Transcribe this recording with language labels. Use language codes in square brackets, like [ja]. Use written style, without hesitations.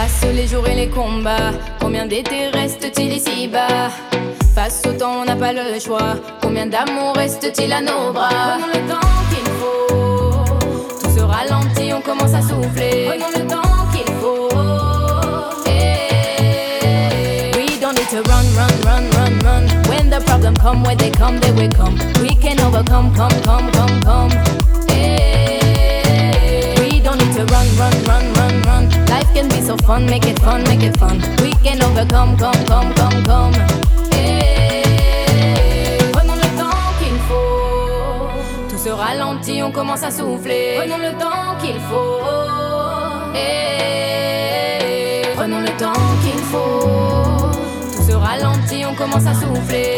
[fr] Les jours et les combats, combien d'été reste-t-il ici-bas? Face au temps, on n'a pas le choix. Combien d'amour reste-t-il à nos bras? Prenons le temps qu'il faut. Tout se ralentit, on commence à souffler. Prenons le temps qu'il faut. Hey. [en] We don't need to run, run, run, run, run. When the problem come, when they come, they will come. We can overcome, come, come, come, come. Hey. We don't need to run, run, run, run, run. Life can be so fun, make it fun, make it fun. We can overcome, come, come, come, come, hey. [fr] Prenons le temps qu'il faut. Tout se ralentit, on commence à souffler. Prenons le temps qu'il faut, hey. Prenons le temps qu'il faut. Tout se ralentit, on commence à souffler.